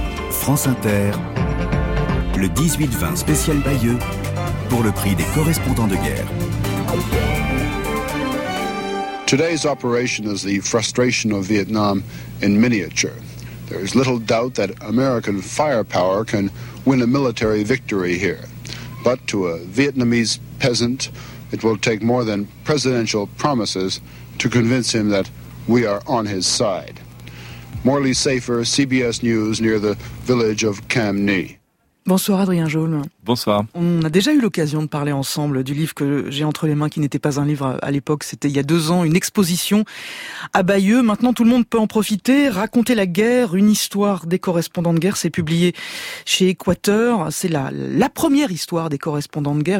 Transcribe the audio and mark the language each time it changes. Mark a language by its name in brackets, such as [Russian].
[French] France Inter, le 18-20 spécial Bayeux, pour le prix des correspondants de guerre. [English] Today's operation is the frustration of Vietnam in miniature. There is little doubt that American firepower can win a military victory here. But to a Vietnamese peasant, it will take more than presidential promises to convince him that we are on his side. Morley Safer, CBS News, near the village of Cam Ne. [French] Bonsoir Adrien Jaume. Bonsoir. On a déjà eu l'occasion de parler ensemble du livre que j'ai entre les mains, qui n'était pas un livre à l'époque, c'était il y a 2 ans, une exposition à Bayeux. Maintenant tout le monde peut en profiter, raconter la guerre, une histoire des correspondants de guerre. C'est publié chez Équateur, c'est la première histoire des correspondants de guerre.